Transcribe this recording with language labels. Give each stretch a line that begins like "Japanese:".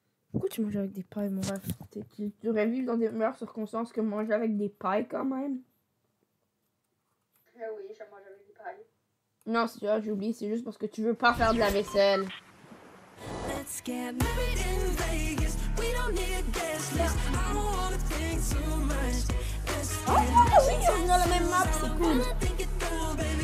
French: Pourquoi tu manges avec des pailles, mon ref? Tu aurais vu dans des meilleures circonstances que manger avec des pailles quand même. Eh oui, je mange avec des pailles. Non, c'est juste parce que tu veux pas faire de la vaisselle.
English: Let's get married in Vegas. We don't need a guest list. I don't wanna think too much. Let's get married.
French: Oh, oui, on est dans la même map, c'est cool.